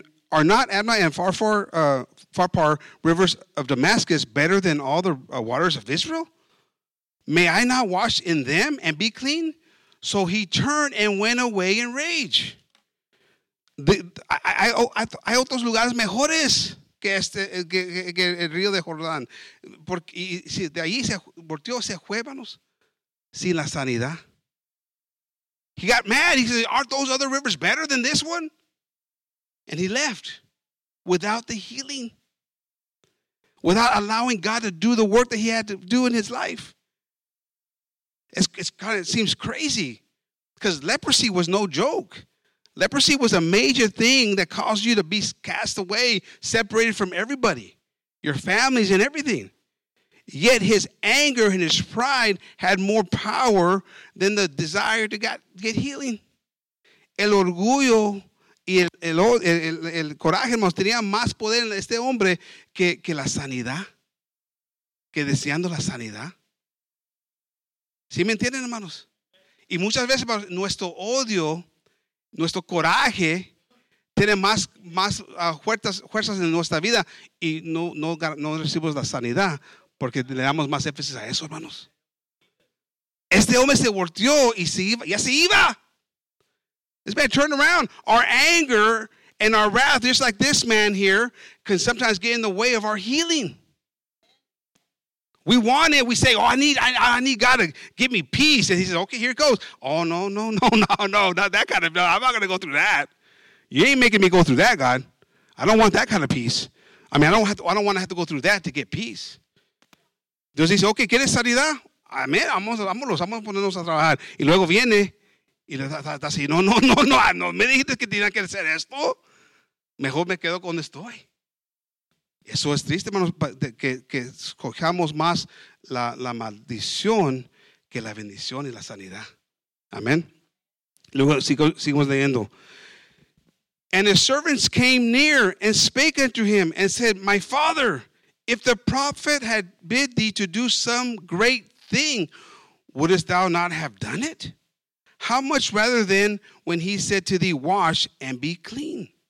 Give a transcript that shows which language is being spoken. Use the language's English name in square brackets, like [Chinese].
[English] Are not Abna and Pharpar rivers of Damascus better than all the waters of Israel? May I not wash in them and be clean? So he turned and went away in rage. [Spanish] Hay otros lugares mejores que el río de Jordán. Porque, y si de ahí se volteó, se juébanos sin la sanidad. [English] He got mad. He said, aren't those other rivers better than this one? And he left without the healing, without allowing God to do the work that he had to do in his life. It's kind of, it seems crazy, because leprosy was no joke. Leprosy was a major thing that caused you to be cast away, separated from everybody, your families and everything. Yet his anger and his pride had more power than the desire to get healing. [Spanish] El orgullo y el coraje tenía más poder en este hombre que la sanidad, que deseando la sanidad. ¿Sí me entienden, hermanos? Y muchas veces nuestro odio, nuestro coraje, tiene más fuerzas en nuestra vida y no recibimos la sanidad porque le damos más énfasis a eso, hermanos. Este hombre se volteó y se iba. ¡Ya se iba! [English] This man turned around. Our anger and our wrath, just like this man here, can sometimes get in the way of our healing. We want it. We say, oh, I need God to give me peace. And he says, okay, here it goes. Oh, no. Not that kind of, no, I'm not going to go through that. You ain't making me go through that, God. I don't want that kind of peace. I mean, I don't want to have to go through that to get peace. [Spanish] Dios dice, okay, ¿quieres sanidad? Amén, vamos a ponernos a trabajar. Y luego viene, y le está así, no, me dijiste que tenía que hacer esto. Mejor me quedo donde estoy. Eso es triste, hermanos, que escojamos más la maldición que la bendición y la sanidad. Amén. Luego seguimos leyendo. [English] And his servants came near and spake unto him and said, my father, if the prophet had bid thee to do some great thing, wouldest thou not have done it? How much rather then when he said to thee, wash and be clean?